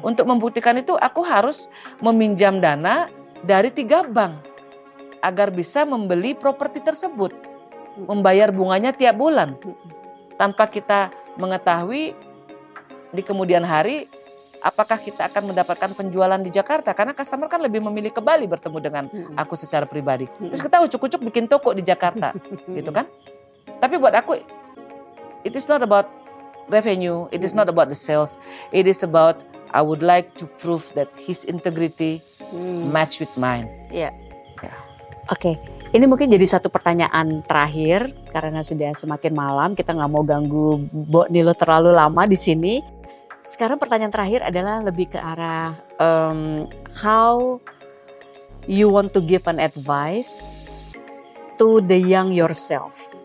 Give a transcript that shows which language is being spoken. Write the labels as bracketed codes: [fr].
[id] Untuk membuktikan itu aku harus meminjam dana dari 3 bank agar bisa membeli properti tersebut. Membayar bunganya tiap bulan. Tanpa kita mengetahui di kemudian hari, apakah kita akan mendapatkan penjualan di Jakarta? Karena customer kan lebih memilih ke Bali bertemu dengan aku secara pribadi. Terus kita ucuk-ucuk bikin toko di Jakarta, gitu kan? Tapi buat aku, [en] it is not about revenue, it is not about the sales. It is about I would like to prove that his integrity match with mine. Yeah. Okay. [id] Ini mungkin jadi satu pertanyaan terakhir karena sudah semakin malam, kita nggak mau ganggu Bo Nilo terlalu lama di sini. Sekarang pertanyaan terakhir adalah lebih ke arah [en] how you want to give an advice to the young yourself.